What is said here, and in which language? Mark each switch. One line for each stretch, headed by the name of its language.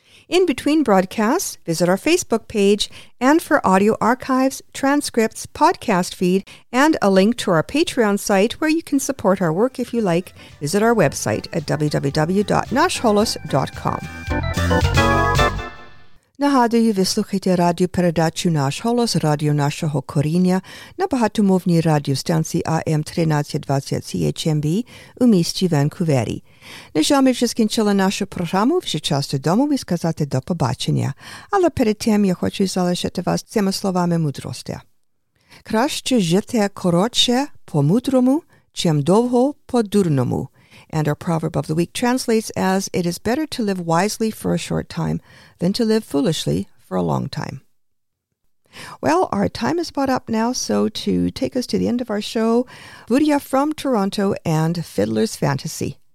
English: In between broadcasts, visit our Facebook page, and for audio archives, transcripts, podcast feed, and a link to our Patreon site where you can support our work if you like, visit our website at www.nashholos.com.
Ukrainian: Нагадую, ви слухаєте радіопередачу «Наш голос», радіо нашого коріння на багатомовній радіостанції АМ 1320 CHMB у місті Ванкувері. На жаль, ми вже скінчили нашу програму, вже час додому і сказати до побачення. Але перед тим я хочу залишити вас цими словами мудрості. Краще жити коротше по-мудрому, чим довго по-дурному.
English: And our proverb of the week translates as, it is better to live wisely for a short time than to live foolishly for a long time. Well, our time is about up now, so to take us to the end of our show, Vudia from Toronto and Fiddler's Fantasy.